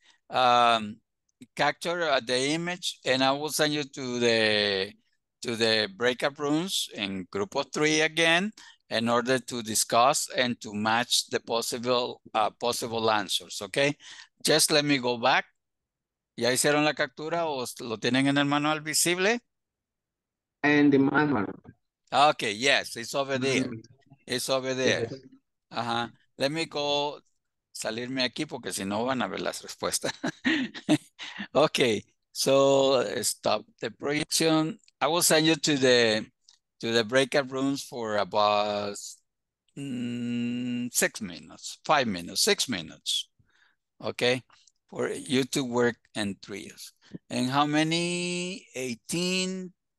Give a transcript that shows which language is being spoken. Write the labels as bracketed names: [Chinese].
[English] Capture the image and I will send you to the to the breakout rooms in group of three again in order to discuss and to match the possible possible answers, okay? Just let me go back. [Spanish] ¿Ya hicieron la captura o lo tienen en el manual visible? En el manual. [English] Okay, yes, it's over there. It's over there. Ajá. Let me go, [Spanish] salirme aquí porque si no van a ver las respuestas. [English] Okay, so stop the projection. I will send you to the breakout rooms for about 6 minutes, 5 minutes, 6 minutes. Okay, for you to work in trios. And how many? 18.